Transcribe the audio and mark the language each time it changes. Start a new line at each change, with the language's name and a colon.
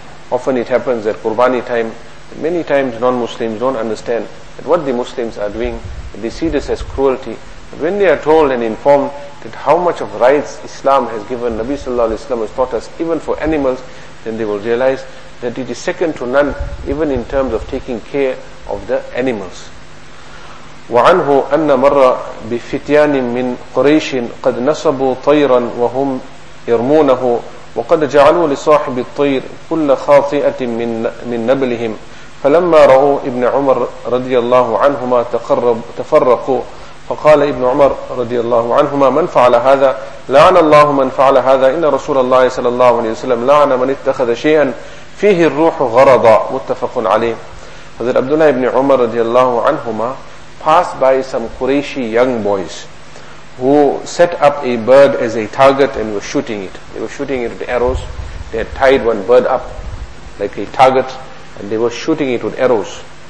English: Often it happens that Qurbani time, many times non-Muslims don't understand that what the Muslims are doing, they see this as cruelty. But when they are told and informed that how much of rights Islam has given, Nabi sallallahu alayhi wa sallam has taught us, even for animals, then they will realize that it is second to none, even in terms of taking care of the animals.
Arabic: وَعَنْهُ أَنَّ مَرَّ بِفِتْيَانٍ مِّنْ قُرَيْشٍ قَدْ نَصَبُوا طَيْرًا وَهُمْ يَرْمُونَهُ وَقَدْ جَعَلُوا لِصَاحِبِ الطَّيْرِ كُلَّ خَاطِئَةٍ مِّنْ نَبْلِهِمْ فلما رأوا ابن عمر رضي الله عنهما تفرقوا فقال ابن عمر رضي الله عنهما من فعل هذا لعن الله من فعل هذا إن رسول الله صلى الله عليه وسلم لعن من اتخذ شيئا فيه الروح غرضا متفق عليه.
English: حضرت عبداللہ ابن عمر رضي الله عنهما passed by some Qurayshi young boys who set up a bird as a target and were shooting it. They were shooting it with arrows. They had tied one bird up like a target and they were shooting it with arrows.